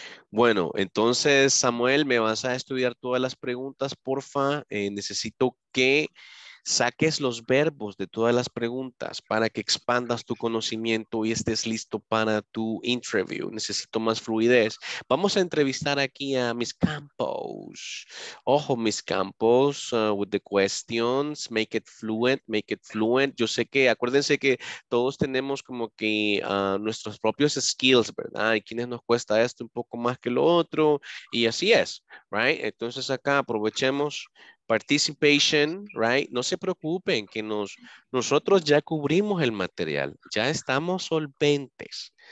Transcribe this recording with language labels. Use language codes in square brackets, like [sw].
[es] Bueno, entonces Samuel, me vas a estudiar todas las preguntas, porfa. Necesito que saques los verbos de todas las preguntas para que expandas tu conocimiento y estés listo para tu [en] interview. [es] Necesito más fluidez. Vamos a entrevistar aquí a Miss Campos. Ojo, [en] Miss Campos, with the questions, make it fluent. [es] Yo sé que, acuérdense que todos tenemos como que nuestros propios skills, ¿verdad? Y quienes nos cuesta esto un poco más que lo otro. Y así es, right? Entonces acá aprovechemos participation, right? No se preocupen que nosotros ya cubrimos el material, ya estamos solventes.